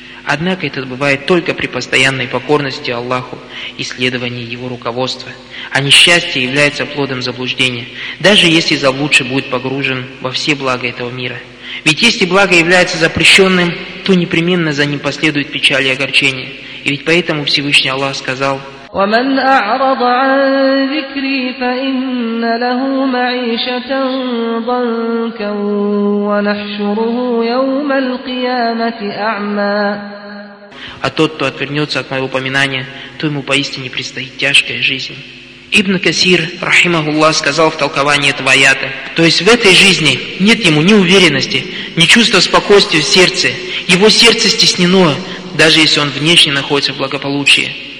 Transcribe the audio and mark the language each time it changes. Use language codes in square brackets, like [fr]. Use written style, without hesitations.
[ru] Однако это бывает только при постоянной покорности Аллаху и следовании Его руководства. А несчастье является плодом заблуждения, даже если заблудший будет погружен во все блага этого мира. Ведь если благо является запрещенным, то непременно за ним последует печаль и огорчение. И ведь поэтому Всевышний Аллах сказал: [ar] «ومن أعرض عن ذكري فإن له معيشة ضنكا ونحشره يوم القيامة أعمى». [ru] А тот, кто отвернется от моего упоминания, то ему поистине предстоит тяжкая жизнь. Ибн Касир, рахимахуллах, сказал в толковании этого аята, то есть в этой жизни нет ему ни уверенности, ни чувства спокойствия в сердце, его сердце стеснено, даже если он внешне находится в благополучии.